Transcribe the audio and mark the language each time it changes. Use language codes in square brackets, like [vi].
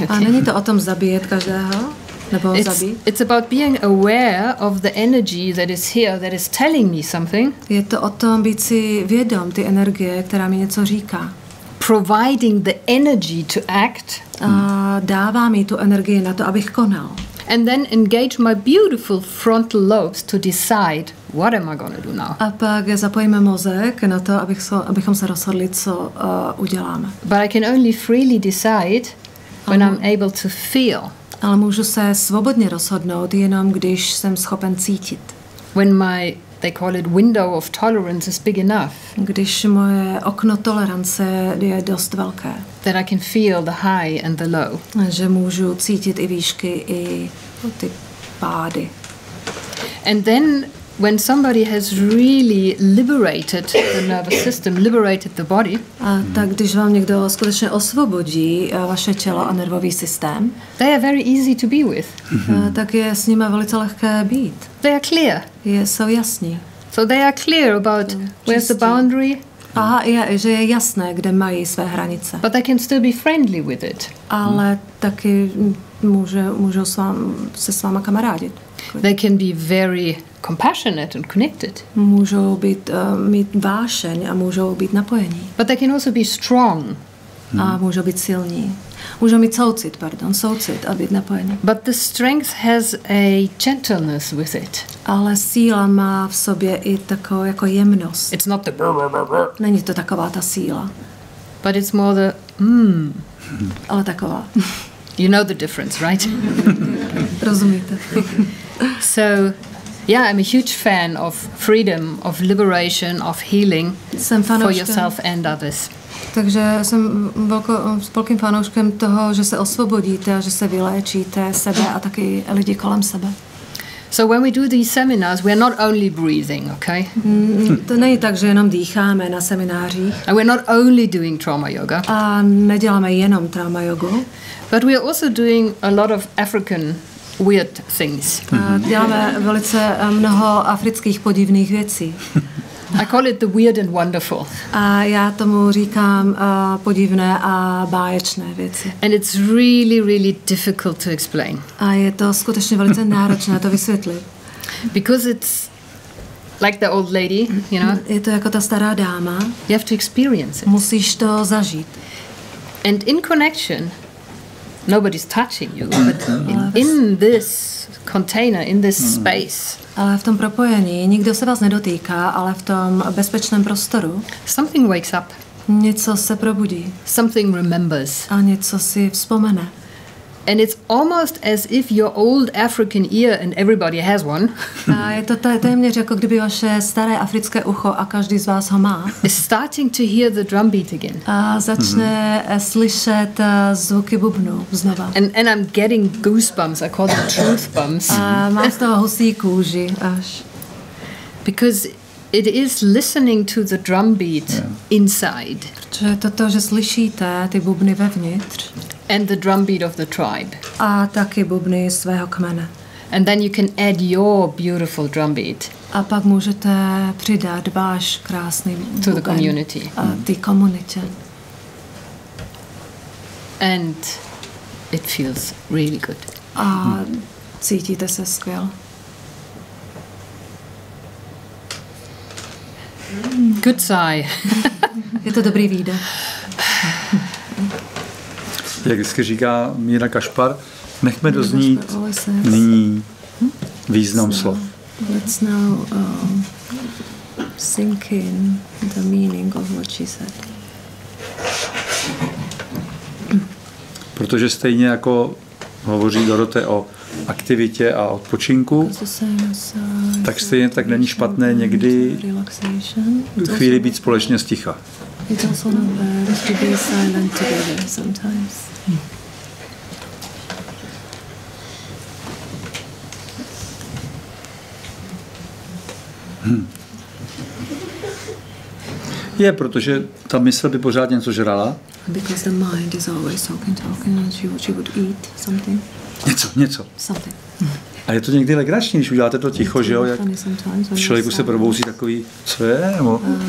[cs] A není to o tom zabíjet každého, nebo zabít. [en] It's about being aware of the energy that is here, that is telling me something. [cs] Je to o tom být si vědom ty energie, která mi něco říká. [en] Providing the energy to act. [cs] A dává mi tu energii na to, abych konal. [en] And then engage my beautiful frontal lobes to decide what am I gonna do now. [cs] A pak zapojíme mozek na to, abychom se rozhodli, co uděláme. [en] But I can only freely decide when I'm able to feel. [cs] Ale můžu se svobodně rozhodnout jenom, když jsem schopen cítit. [en] When my, they call it window of tolerance, is big enough. [cs] Když moje okno tolerance je dost velké. [en] That I can feel the high and the low. [cs] Že můžu cítit i výšky, i ty pády. [en] And then when somebody has really liberated the nervous system, liberated the body. [cs] A tak když vám někdo skutečně osvobodí vaše tělo a nervový systém. [en] They are very easy to be with. [cs] Tak je s nimi velice lehké být. [en] They are clear. [cs] Jsou jasní. [en] So they are clear about where's the boundary. [cs] Aha, že je jasné, kde mají své hranice. [en] But they can still be friendly with it. [cs] Ale taky můžou se s váma kamarádit. [en] They can be very compassionate and connected. [cs] Můžou být mít vášeň a můžou být napojení. [en] But they can also be strong. [cs] A můžou být silní. Můžou mít soucit, soucit a být napojení. [en] But the strength has a gentleness with it. [cs] Ale síla má v sobě i takovou jako jemnost. [en] It's not the [cs] není to taková ta síla. [en] but it's more the [cs] Ale taková. [en] You know the difference, right? [cs] Rozumíte. [en] So, yeah, I'm a huge fan of freedom, of liberation, of healing for yourself and others. [cs] Takže jsem velkým fanouškem toho, že se osvobodíte a že se vyléčíte sebe a taky lidi kolem sebe. [en] So when we do these seminars, we're not only breathing, okay? [cs] To není tak, že jenom dýcháme na seminářích. [en] And we're not only doing trauma yoga. [cs] A neděláme jenom trauma jogu. [en] But we're also doing a lot of African weird things. [cs] Děláme velice mnoho afrických podivných věcí. [en] I call it the weird and wonderful. [cs] A já tomu říkám podivné a báječné věci. [en] And it's really, really difficult to explain. [cs] A je to skutečně velice náročné to vysvětlit. [en] Because it's like the old lady, you know. [cs] Je to jako ta stará dáma. [en] You have to experience it. [cs] Musíš to zažít. [en] And in connection, nobody's touching you, but in this container, in this space. [cs] Ale v tom propojení nikdo se vás nedotýká, ale v tom bezpečném prostoru. [en] Something wakes up. [cs] Něco se probudí. [en] Something remembers. [cs] A něco si vzpomene. [en] And it's almost as if your old African ear, and everybody has one. [cs] A je to téměř jako kdyby vaše staré africké ucho a každý z vás ho má. [en] Is starting to hear the drum beat again. [cs] A začne slyšet zvuky bubnu znova. [en] And I'm getting goosebumps. I call them truth bumps. [cs] A mám z toho husí kůži až. [en] Because it is listening to the drum beat inside. [cs] Protože je to to, že slyšíte ty bubny vevnitř. [en] And the drum beat of the tribe. [cs] A taky bubny svého kmene. [en] And then you can add your beautiful drum beat. [cs] A pak můžete přidat váš krásný bubny. [en] To the community. [cs] Ty komunitě. [en] And it feels really good. [cs] A cítíte se skvěl. [en] Good sigh. [cs] Je to dobrý výdech. Jak vždycky říká Míra Kašpar, nechme doznít nyní význam slov. [en] Let's now sink in the meaning of what she said. [cs] Protože stejně jako hovoří Dorothe o aktivitě a odpočinku, tak stejně tak není špatné někdy chvíli být společně sticha. [en] It's also not bad to be silent together sometimes. [cs] Je, protože ta mysl by pořád něco žrala. [en] Because the mind is always talking, and she would eat something. [cs] Něco. [en] Something. [cs] A je to někdy legrační, když uděláte to ticho, že jo, jak v člověku se probouzí takový, co je, nebo...